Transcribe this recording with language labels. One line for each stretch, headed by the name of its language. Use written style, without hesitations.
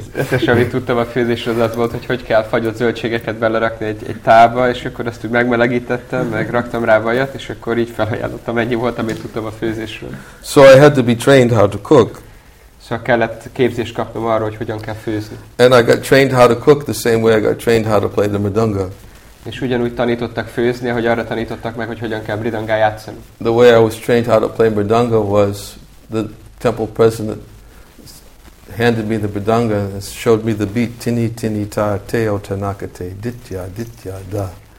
Hungarian: Ez semmi tudtam a főzésről, az volt, hogy kell fagyott zöldségeket belerakni egy tálba, és akkor ezt úgy megmelegítettem, meg raktam rá vajat, és akkor így felajánlottam, ennyi volt, amit tudtam a főzésről.
English: So I had to be trained how to cook.
Hungarian: Szóval kellett képzést kapnom arról, hogy hogyan kell főzni.
English: And I got trained how to cook the same way I got trained how to play the mridanga.
Hungarian: És ugyanúgy tanítottak főzni, ahogy arra tanítottak meg, hogy hogyan kell mridanga játszani.
English: The way I was trained how to play mridanga was the temple president handed me the mridanga and showed me the beat tini tini ta teo tanakate ditya ditya da.